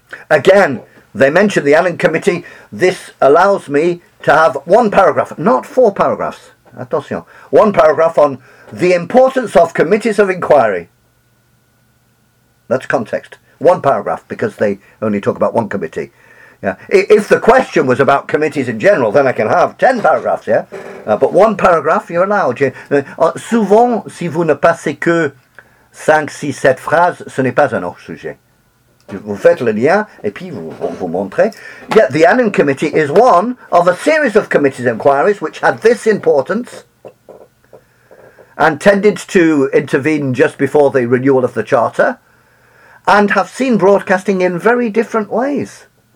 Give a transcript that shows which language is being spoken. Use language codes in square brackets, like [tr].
[en] Again, they mention the Annan Committee. This allows me to have one paragraph, not four paragraphs. Attention. One paragraph on the importance of committees of inquiry. That's context. One paragraph, because they only talk about one committee. Yeah. If the question was about committees in general, then I can have 10 paragraphs, yeah? But one paragraph, you're allowed. [fr] Souvent, si vous ne passez que 5, 6, 7 phrases, ce n'est pas un hors sujet. Vous faites le lien, et puis vous montrez. [en] Yet the Annan Committee is one of a series of committees inquiries which had this importance and tended to intervene just before the renewal of the Charter and have seen broadcasting in very different ways.